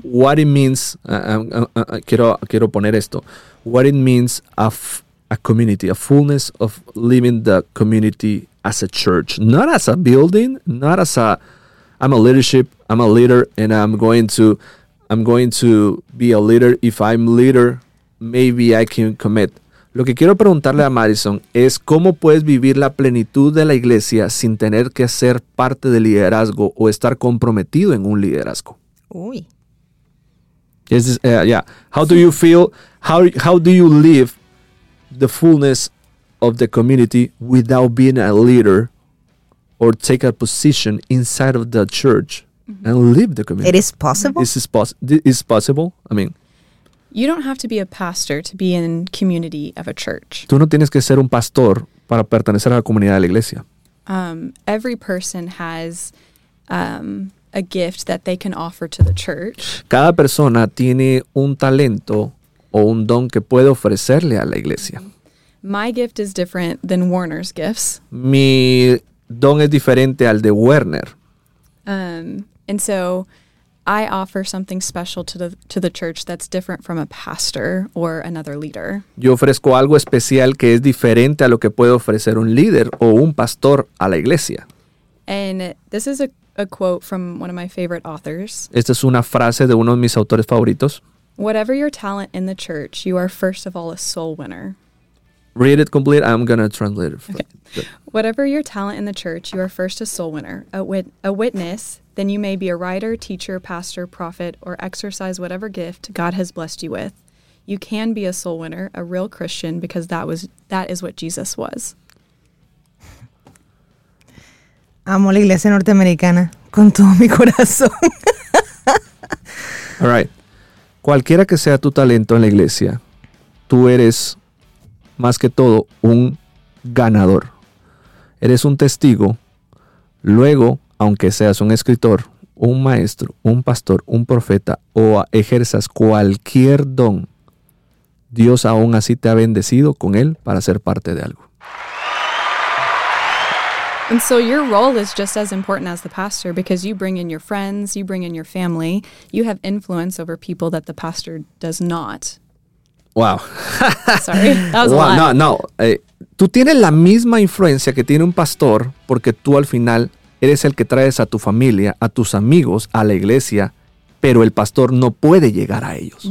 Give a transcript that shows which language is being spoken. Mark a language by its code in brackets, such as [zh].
[en] What it means, [es] quiero poner esto. [en] What it means of a community, a fullness of living the community as a church. Not as a building, not as a, I'm a leadership, I'm a leader, and I'm going to be a leader. If I'm leader, maybe I can commit. [es] Lo que quiero preguntarle a Madison es cómo puedes vivir la plenitud de la iglesia sin tener que ser parte del liderazgo o estar comprometido en un liderazgo. Uy. [en] Yes, yeah. How do you feel? How do you live the fullness of the community without being a leader? Or take a position inside of the church and leave the community. It is possible. This is possible. I mean, you don't have to be a pastor to be in community of a church. [es] Tú no tienes que ser un pastor para pertenecer a la comunidad de la iglesia. [en] Every person has a gift that they can offer to the church. [es] Cada persona tiene un talento o un don que puede ofrecerle a la iglesia. [en] My gift is different than Warner's gifts. [es] Mi don es diferente al de Werner. [en] And so I offer something special to the church that's different from a pastor or another leader. [es] Yo ofrezco algo especial que es diferente a lo que puede ofrecer un líder o un pastor a la iglesia. [en] And this is a quote from one of my favorite authors. [es] Esta es una frase de uno de mis autores favoritos. [en] Whatever your talent in the church, you are first of all a soul winner. Read it complete. I'm going to translate it. Okay. Whatever your talent in the church, you are first a soul winner, a witness. Then you may be a writer, teacher, pastor, prophet, or exercise whatever gift God has blessed you with. You can be a soul winner, a real Christian, because that is what Jesus was. [es] Amo la iglesia norteamericana con todo mi corazón. [en] All right. [es] Cualquiera que sea tu talento en la iglesia, tú eres más que todo un ganador. Eres un testigo. Luego, aunque seas un escritor, un maestro, un pastor, un profeta o ejerzas cualquier don, Dios aún así te ha bendecido con él para ser parte de algo. [en] And so your role is just as important as the pastor because you bring in your friends, you bring in your family, you have influence over people that the pastor does not. Wow. Sorry, that was wow, a lot. No, no. [es] Tú tienes la misma influencia que tiene un pastor porque tú al final eres el que traes a tu familia, a tus amigos, a la iglesia, pero el pastor no puede llegar a ellos.